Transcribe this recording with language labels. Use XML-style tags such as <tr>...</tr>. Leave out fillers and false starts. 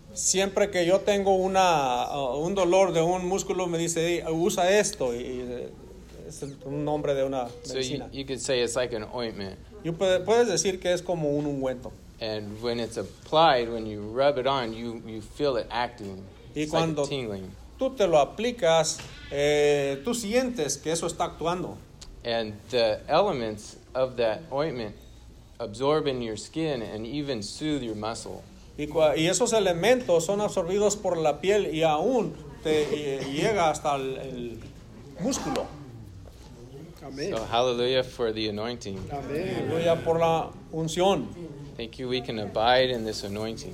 <es>Siempre que yo tengo un dolor de un músculo, me dice, hey, usa esto y es un nombre de una medicina.</es> <en>So you could say it's like an ointment.</en> <es>Puedes decir que es como un ungüento.</es> <en>And when it's applied, when you rub it on, you feel it acting.</en> <es>Y</es> <en>it's</en> <es>cuando</es> <en>like tingling.</en> <es>Tú te lo aplicas, tú sientes que eso está actuando.</es> <en>And the elements of that ointment absorb in your skin and even soothe your muscle.</en> <es>Y esos elementos son absorbidos por la piel y aún te llega hasta el músculo.</es> <en>So hallelujah for the anointing.</en> <es>Hallelujah por la unción.</es> <en>Thank you. We can abide in this anointing.</en>